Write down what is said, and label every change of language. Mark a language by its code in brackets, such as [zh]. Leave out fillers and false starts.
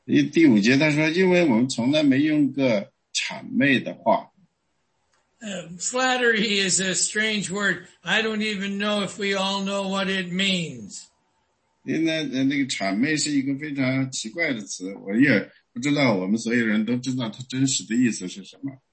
[zh] 第五节他说，因为我们从来没用个谄媚的话。 [en] Flattery is a strange word. I don't even know if we all know what it means. [zh] 那个谄媚是一个非常奇怪的词，我也不知道我们所有人都知道它真实的意思是什么。